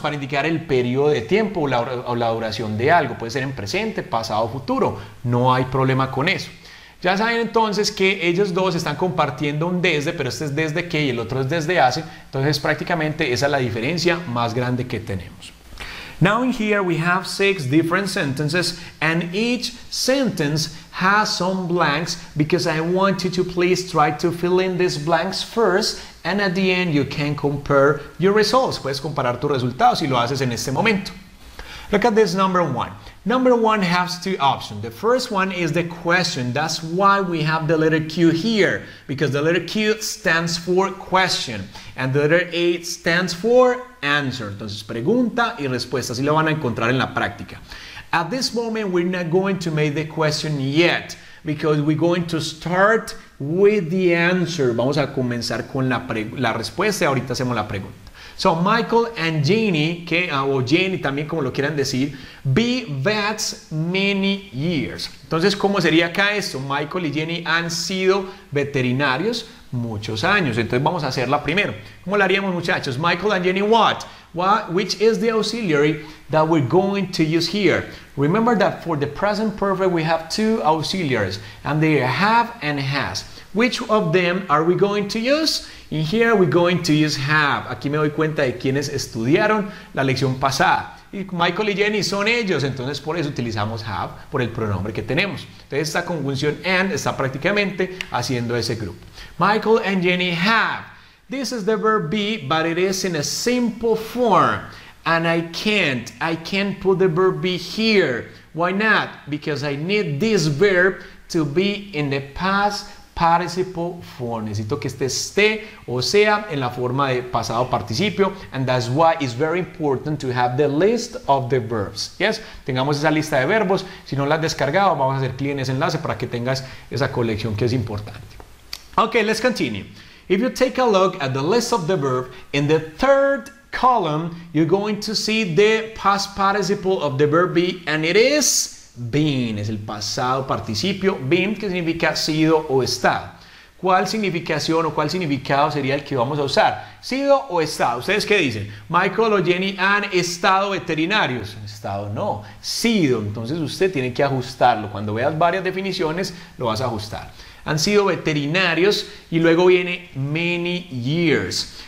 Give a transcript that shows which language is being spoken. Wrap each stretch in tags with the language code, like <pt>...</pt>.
<es>Para indicar el periodo de tiempo o la duración de algo. Puede ser en presente, pasado o futuro. No hay problema con eso. Ya saben entonces que ellos dos están compartiendo un desde, pero este es desde que y el otro es desde hace. Entonces, prácticamente esa es la diferencia más grande que tenemos.</es> <en>Now in here we have 6 different sentences, and each sentence has some blanks because I want you to please try to fill in these blanks first, and at the end you can compare your results.</en> <es>Puedes comparar tus resultados si lo haces en este momento.</es> <en>Look at this number 1. Number 1 has 2 options. The first one is the question. That's why we have the letter Q here, because the letter Q stands for question and the letter A stands for answer.</en> <es>Entonces, pregunta y respuesta. Así lo van a encontrar en la práctica.</es> <en>At this moment, we're not going to make the question yet, because we're going to start with the answer.</en> <es>Vamos a comenzar con la respuesta y ahorita hacemos la pregunta.</es> <en>So, Michael and Jenny, o Jenny también como lo quieran decir, be vets many years.</en> <es>Entonces, ¿cómo sería acá esto? Michael y Jenny han sido veterinarios muchos años. Entonces, vamos a hacerla primero. ¿Cómo la haríamos, muchachos? Michael and Jenny, what?</es> <en>Which is the auxiliary that we're going to use here? Remember that for the present perfect, we have 2 auxiliaries, and they are have and has. Which of them are we going to use? In here we're going to use have.</en> <es>Aquí me doy cuenta de quienes estudiaron la lección pasada. Y Michael y Jenny son ellos, entonces por eso utilizamos have, por el pronombre que tenemos. Entonces esta conjunción and está prácticamente haciendo ese grupo.</es> <en>Michael and Jenny have. This is the verb be, but it is in a simple form. And I can't put the verb be here. Why not? Because I need this verb to be in the past participle form.</en> <es>Necesito que esté o sea en la forma de pasado participio, and that's why it's very important to have the list of the verbs. Yes, tengamos esa lista de verbos. Si no la has descargado, vamos a hacer clic en ese enlace para que tengas esa colección que es importante.</es> <en>Okay, let's continue. If you take a look at the list of the verb in the third column, you're going to see the past participle of the verb be, and it is been.</en> <es>Es el pasado participio, been, que significa sido o está. ¿Cuál significación o cuál significado sería el que vamos a usar? ¿Sido o estado? ¿Ustedes qué dicen? Michael o Jenny han estado veterinarios. Estado no, sido. Entonces usted tiene que ajustarlo. Cuando veas varias definiciones, lo vas a ajustar. Han sido veterinarios y luego viene many years.</es>